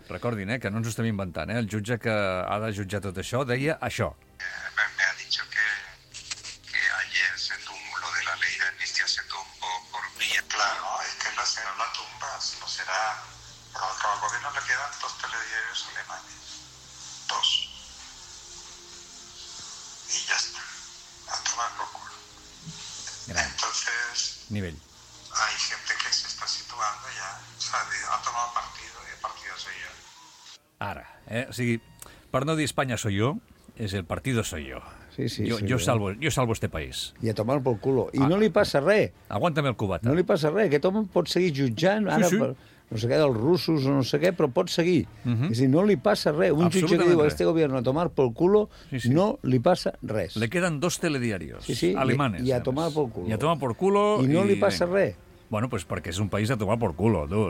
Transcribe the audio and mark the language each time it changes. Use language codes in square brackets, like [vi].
[ca] Recordin, que no ens ho estem inventant, El jutge que ha de jutjar tot això deia això. [es] Me ha dicho que ayer se tumbó, lo de la ley de amnistía se tumbó por mí. Claro, es que no será una tumba, sino será... Pero al gobierno le quedan 2 telediarios alemanes. 2. Y ya está. A tomar por culo. Entonces... [ca] Nivell. [es] Hay gente que se está situando ya, o sea, ha tomado partido y el partido soy yo. [ca] Ara, o sigui, per no dir Espanya [es] soy yo, es el partido soy yo. [ca] Sí, sí, [es] yo salvo este país. Y a tomar por culo. Y [ca] no li passa res. Aguanta'm el cubata. No li passa res, que tothom pot seguir jutjant. Sí, ara, sí. no sé què, dels russos o no sé què, però pot seguir. Uh-huh. És a dir, no li passa res. Un jutge que diu [es] este gobierno a tomar por culo, [ca] sí, sí, no li passa res. [es] Le quedan dos telediarios, sí, sí, alemanes. I a tomar por culo. I a tomar por culo. [ca] I no li passa res. Bueno, pues perquè és un país [es] a tomar por culo, [ca] tu.